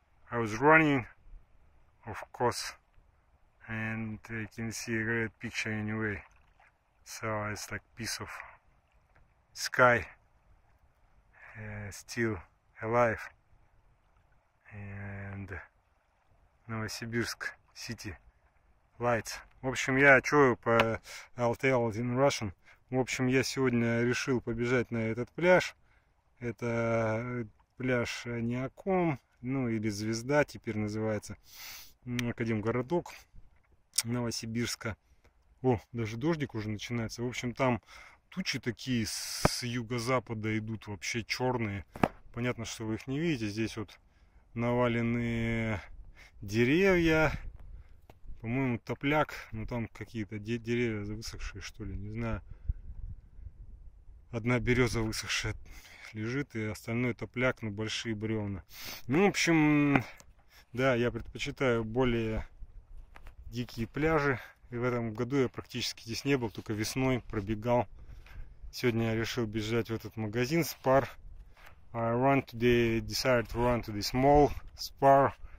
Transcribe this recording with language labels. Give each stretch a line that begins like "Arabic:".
English: I was running, of course, and you can see a great picture anyway. So it's like piece of sky, still alive, and Novosibirsk city lights.
Russian: В общем, я чую по
English: LTL in Russian.
Russian: В общем, я сегодня решил побежать на этот пляж. Это пляж Неаком, ну или Звезда теперь называется. Академгородок Новосибирска. О, даже дождик уже начинается. В общем, там тучи такие с юго-запада идут, вообще черные. Понятно, что вы их не видите. Здесь вот наваленные деревья. По-моему, топляк. Но там какие-то деревья высохшие, что ли. Не знаю. Одна береза высохшая лежит, и остальное топляк, но большие бревна. Ну, в общем... Да, я предпочитаю более дикие пляжи. И в этом году я практически здесь не был, только весной пробегал. Сегодня я решил бежать в этот магазин Spar.
English: I decided to run to this mall Spar.